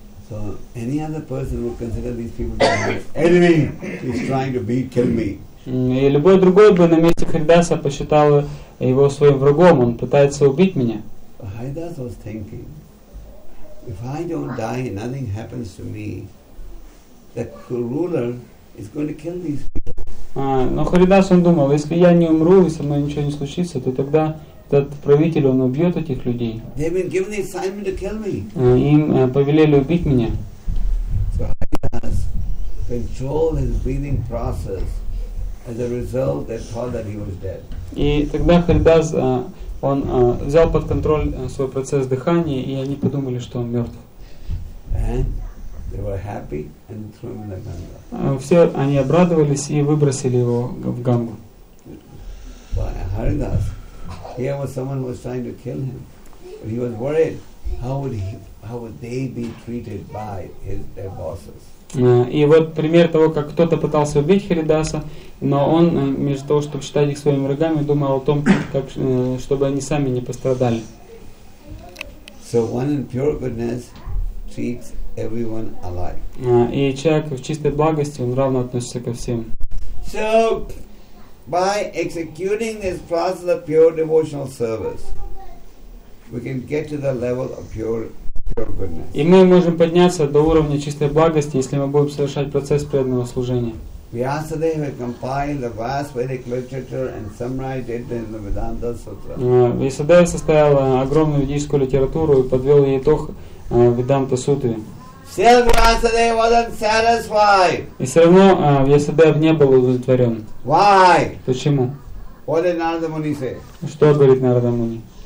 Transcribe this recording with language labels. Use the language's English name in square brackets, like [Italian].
[English] So any other person would consider these people to be enemy. He's trying to beat, kill me. [Russian] И любой другой бы на месте Харидаса посчитал его своим врагом. Он пытается убить меня. [English] Харидас was thinking, if I don't die, nothing happens to me. The ruler is going to kill these people. [Russian] Но Харидас он думал, если я не умру и со мной ничего не случится, то тогда этот правитель, он убьет этих людей. [English] They've been given the assignment to kill me. [Russian] Им повелели убить меня. [English] So Haridas controlled his breathing process. As a result, they thought that he was dead. [Russian] И тогда Харидас, он взял под контроль свой процесс дыхания, и они подумали, что он мертв. [English] And they were happy and threw him in the Ganga. [Russian] Все они обрадовались и выбросили его в Гангу. [English] Why Haridas? Here was someone who was trying to kill him. But he was worried, how would they be treated by their bosses? [Russian] И вот пример того, как кто-то пытался убить Харидаса, но он, вместо того, чтобы считать их своими врагами, думал о том, как, чтобы они сами не пострадали. [English] So one in pure goodness treats everyone alike. [Russian] И человек в чистой благости, он равно относится ко всем. [English] So, by executing this process of pure devotional service, we can get to the level of pure goodness. [Russian] И мы можем подняться до уровня чистой благости, если мы будем совершать процесс преданного служения. [English] Vyasadeva compiled the vast Vedic literature and summarized it in the Vedanta Sutra. [Russian] Vyasadeva составил огромную ведическую литературу и подвел ее итог в Веданта Сутре. [English] Still Vyasadeva wasn't satisfied. [Russian] И все равно Vyasadeva не был удовлетворен. [English] Why? [Russian] Почему? [English] What did Narada Muni say? [Russian] Что говорит Нарада Муни?